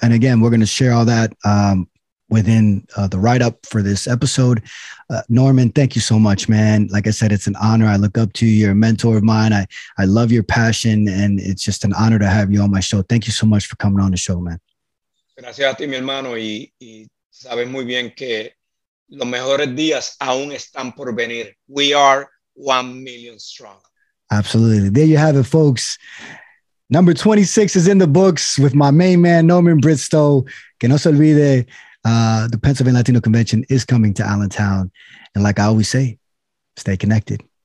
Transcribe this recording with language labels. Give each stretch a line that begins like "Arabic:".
English: And again, we're going to share all that within the write-up for this episode. Norman, thank you so much, man. Like I said, it's an honor. I look up to you. You're a mentor of mine. I love your passion and it's just an honor to have you on my show. Thank you so much for coming on the show, man.
Spanish: Gracias a ti, mi hermano. Y sabes muy bien que los mejores días aún están por venir.
English: We are 1 million strong. Absolutely. There you have it, folks. Number 26 is in the books with my main man, Norman Bristow.
Spanish: Que no se olvide,
English: the Pennsylvania Latino Convention is coming to Allentown. And like I always say, stay connected.